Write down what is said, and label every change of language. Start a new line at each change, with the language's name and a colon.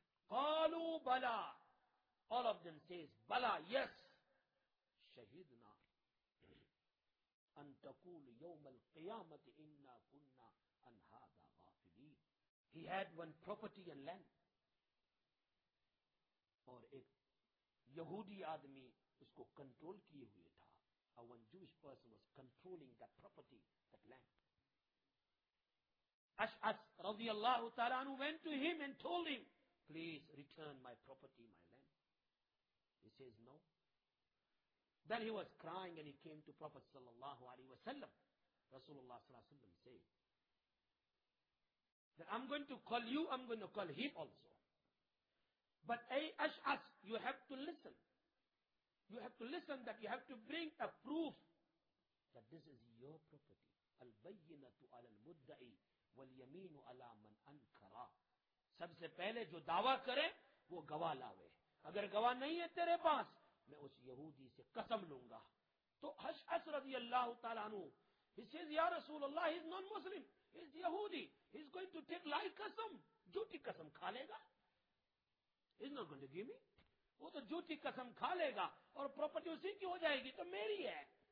Arabic: قالوا بلا,
English: all of them says
Arabic: بلا,
English: yes,
Arabic: شهدنا ان تقول يوم القيامة انا كنا عن هذا غافلين.
English: He had one property and land,
Urdu: اور ایک یہودی آدمی اس کو کنٹرول کیے ہوئے تھا.
English: One Jewish person was controlling that property, that land. Ashath رضی اللہ تعالیٰ عنہ went to him and told him, please return my property, my land. He says no. Then he was crying and he came to Prophet sallallahu alaihi wasallam. Rasulullah sallallahu alaihi wasallam said that I'm going to call you, I'm going to call him also. But ay Ash'as, you have to listen. You have to listen, that you have to bring a proof that this is your property.
Arabic: Al-bayyinatu ala al-mudda'i wal-yameenu ala man ankara.
Urdu: سب سے پہلے جو دعویٰ کرے وہ گواہ لاوے, اگر گواہ نہیں ہے تیرے پاس میں اس یہودی سے قسم لوں گا. تو اشعث رضی اللہ تعالیٰ عنہ,
English: he says
Urdu: یا رسول اللہ,
English: he is non-Muslim, he is
Urdu: یہودی,
English: he is going to take lie
Urdu: قسم, جھوٹی قسم کھا لے گا,
English: he is not going to give me,
Urdu: وہ تو جھوٹی قسم کھا لے گا اور پراپرٹی اسی کی ہو جائے گی, تو میری ہے.